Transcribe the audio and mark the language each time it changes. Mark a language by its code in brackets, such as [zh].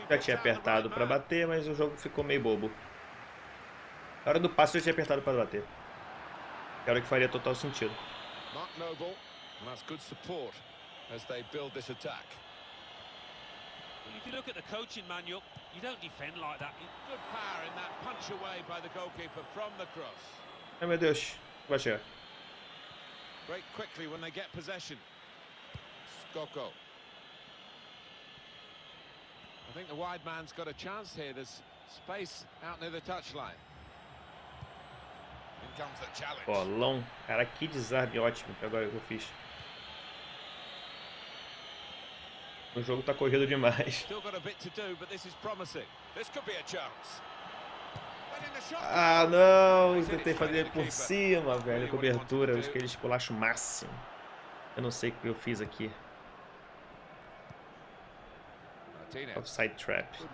[pt] Já tinha apertado para bater, mas o jogo ficou meio bobo. Na hora do passe eu tinha apertado para bater. Que era o que faria total sentido. [en] Mark Noble, that's good support as they build this attack. If you look at the coaching manual, you don't defend like that. Good power in that punch away by the goalkeeper from the cross. [pt] Ai meu Deus, vai chegar. [en] Break quickly when they get possession. Skoko. I think the wide man's got a chance here. There's space out near the touchline. In comes the challenge. [pt] Bolão. Cara, que desarme ótimo que agora eu fiz. O jogo tá corrido demais. [en] Still got a bit to do, but this is promising. This could be a chance. [pt] Ah, não, eu tentei fazer por cima, velho, a cobertura, eu acho que eles colacham o máximo. Eu não sei o que eu fiz aqui. [en] Offside trap.